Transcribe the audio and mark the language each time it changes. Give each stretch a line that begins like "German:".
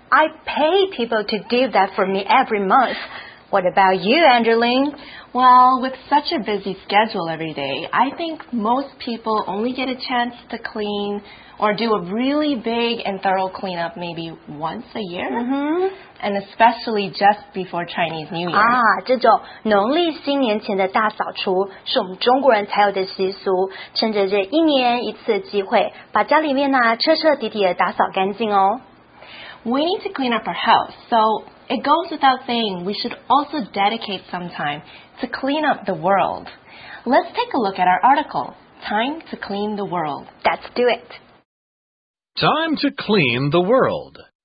English: I pay people to do that for me every month. What about you, Angeline? Well, with such a busy schedule every day, I think most people only get a chance to clean or do a really big and thorough cleanup maybe once a year. Mm-hmm. And especially just before Chinese New Year.
Chinese: 啊，这种农历新年前的大扫除是我们中国人才有的习俗，趁着这一年一次的机会，把家里面呢彻彻底底的打扫干净哦。
English: We need to clean up our house, so it goes without saying we should also dedicate some time to clean up the world. Let's take a look at our article, Time to Clean the World. Let's do it. Time to clean the world.